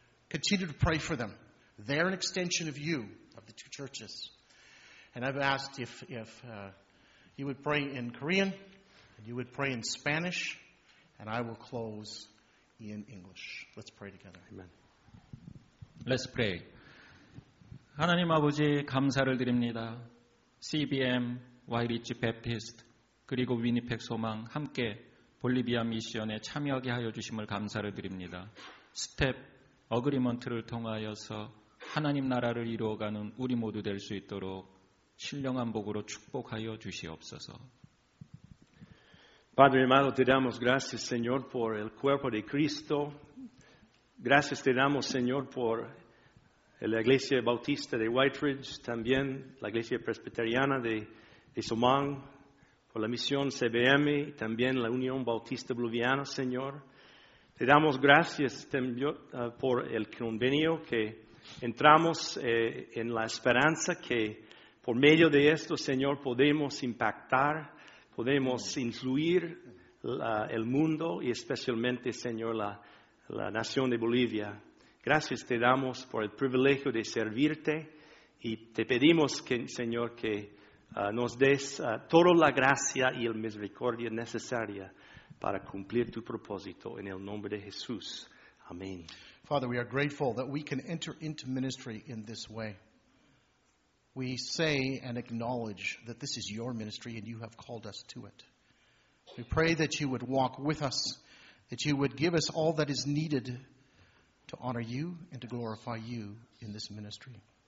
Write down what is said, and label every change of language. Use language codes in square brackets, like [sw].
[en] Continue to pray for them. They're an extension of you, of the two churches. And I've asked if you would pray in Korean, and you would pray in Spanish, and I will close in English. Let's pray together. Amen. Let's pray. [ko] 하나님 아버지 감사를 드립니다. CBM, Y-Rich Baptist, 그리고 위니펙 소망 함께 볼리비아 미션에 참여하게 하여 주심을 감사를 드립니다. 스텝 어그리먼트를 통하여서 하나님 나라를 이루어가는 우리 모두 될 수 있도록 신령한 복으로 축복하여 주시옵소서. [es] Padre amado, te damos gracias, Señor, por el cuerpo de Cristo. Gracias te damos, Señor, por la Iglesia Bautista de White Ridge, también la Iglesia Presbiteriana de Somang, por la misión CBM, también la Unión Bautista Boliviana, Señor. Te damos gracias por el convenio que entramos en la esperanza que por medio de esto, Señor, podemos impactar, podemos influir el mundo y especialmente, Señor, la nación de Bolivia. Gracias te damos por el privilegio de servirte y te pedimos, que, Señor, que nos des toda la gracia y la misericordia necesaria para cumplir tu propósito. En el nombre de Jesús. Amén. [en] Father, we are grateful that we can enter into ministry in this way. We say and acknowledge that this is your ministry and you have called us to it. We pray that you would walk with us, that you would give us all that is needed to honor you and to glorify you in this ministry.